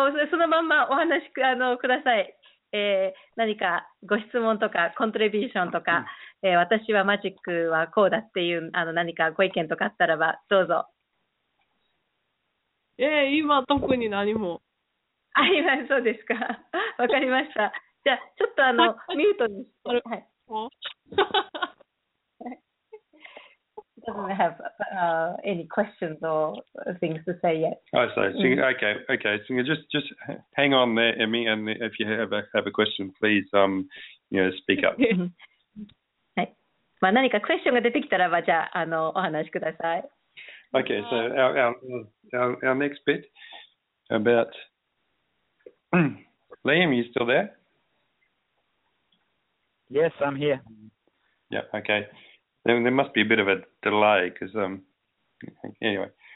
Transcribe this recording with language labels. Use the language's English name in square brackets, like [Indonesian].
[Japanese] そのまんまお話しください、何かご質問とかコントリビューションとか、私はマジックはこうだっていう何かご意見とかあったらばどうぞ。今特に何も。あ、今そうですか。わかりました。じゃあちょっとミュートにして、はい。 [English] Doesn't have any questions or things to say yet. I see. Okay. So just hang on there, Emmy, and if you have a question, please speak up. [Japanese] はい。まあ何かクエスチョンが出てきたらば、じゃあお話しください。 [English] Okay. So our next bit about Liam, you still there? Yes, I'm here. Yeah. Okay. There must be a bit of a delay because, anyway.